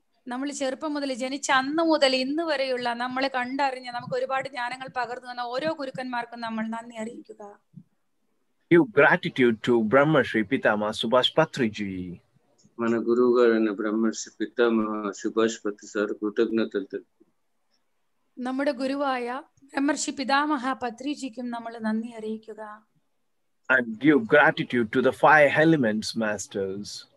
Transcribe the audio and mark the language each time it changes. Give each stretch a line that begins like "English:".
Malayalam: നമ്മൾ ചെറുപ്പം മുതൽ ജനിച്ച അന്ന് മുതൽ ഇന്ന് വരെയുള്ള നമ്മളെ കണ്ടറിഞ്ഞ നമുക്ക് ഒരുപാട് ജ്ഞാനങ്ങൾ പകർന്നു തന്ന ഓരോ ഗുരുക്കന്മാർക്കും നമ്മൾ നന്ദി അറിയിക്കുക.
English: Give gratitude to Brahmashri Pitama Subhash Patriji.
Telugu: మన గురుగారైన బ్రహ్మశ్రీ పితామ సుభాష్ పత్రి సార్ కృతజ్ఞతలు తెలుపుతున్నాము.
Malayalam: നമ്മുടെ ഗുരുവായ ബ്രഹ്മശ്രീ പിതാമഹ പത്രിജിക്കും നമ്മൾ നന്ദി അറിയിക്കുക.
English: And give gratitude to the five elements, masters.